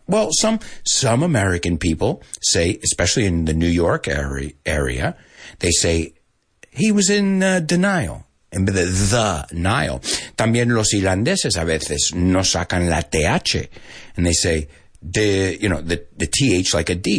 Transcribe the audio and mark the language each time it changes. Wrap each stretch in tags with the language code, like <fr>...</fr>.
<en>Well, some American people say, especially in the New York area, they say he was in denial. And the Nile.</en> <es>También los irlandeses a veces no sacan la TH.</es> <en>And they say the, you know, the TH like a D.</en>